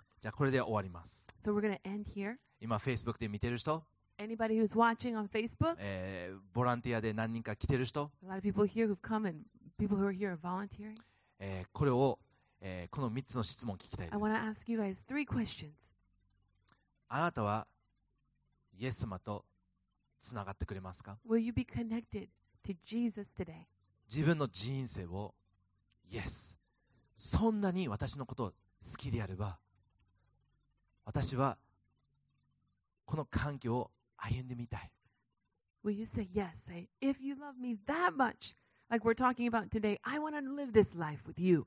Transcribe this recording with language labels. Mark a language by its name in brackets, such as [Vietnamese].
[Japanese] じゃあこれで終わります。 [English] So we're going to end here. [Japanese] 今 Facebook で見てる人。 [English] Anybody who's watching on Facebook? [Japanese] ボランティアで何人か来てる人。 [English] A lot of people here who've come and people who are here are volunteering. [Japanese] これを、この3つの質問聞きたいです。 [English] I want to ask you guys three questions. [Japanese] あなたはイエス様とつながってくれますか? [English] Will you be connected to Jesus today? [Japanese] 自分の人生を Yes. そんなに私のことを好きであれば私はこの環境を歩んでみたい。 [English] Will you say yes? Say, if you love me that much, like we're talking about today, I want to live this life with you.